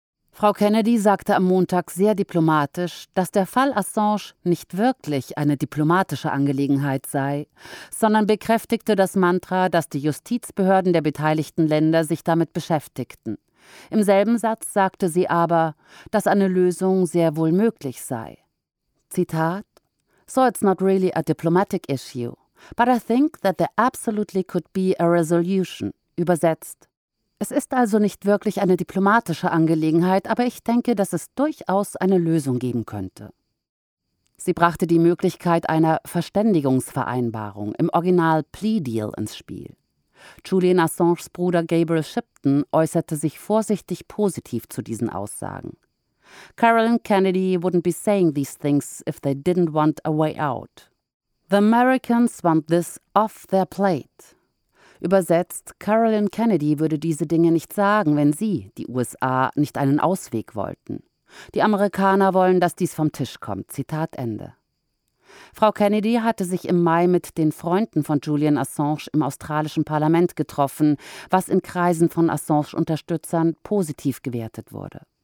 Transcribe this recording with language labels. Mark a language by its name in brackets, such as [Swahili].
[German] Frau Kennedy sagte am Montag sehr diplomatisch, dass der Fall Assange nicht wirklich eine diplomatische Angelegenheit sei, sondern bekräftigte das Mantra, dass die Justizbehörden der beteiligten Länder sich damit beschäftigten. Im selben Satz sagte sie aber, dass eine Lösung sehr wohl möglich sei. [English] Zitat: "So it's not really a diplomatic issue, but I think that there absolutely could be a resolution." [German] Übersetzt: Es ist also nicht wirklich eine diplomatische Angelegenheit, aber ich denke, dass es durchaus eine Lösung geben könnte. Sie brachte die Möglichkeit einer Verständigungsvereinbarung, im Original Plea Deal, ins Spiel. Julian Assanges Bruder Gabriel Shipton äußerte sich vorsichtig positiv zu diesen Aussagen. [English] "Caroline Kennedy wouldn't be saying these things if they didn't want a way out. The Americans want this off their plate." [German] Übersetzt: Caroline Kennedy würde diese Dinge nicht sagen, wenn sie, die USA, nicht einen Ausweg wollten. Die Amerikaner wollen, dass dies vom Tisch kommt. Zitat Ende. Frau Kennedy hatte sich im Mai mit den Freunden von Julian Assange im australischen Parlament getroffen, was in Kreisen von Assange-Unterstützern positiv gewertet wurde.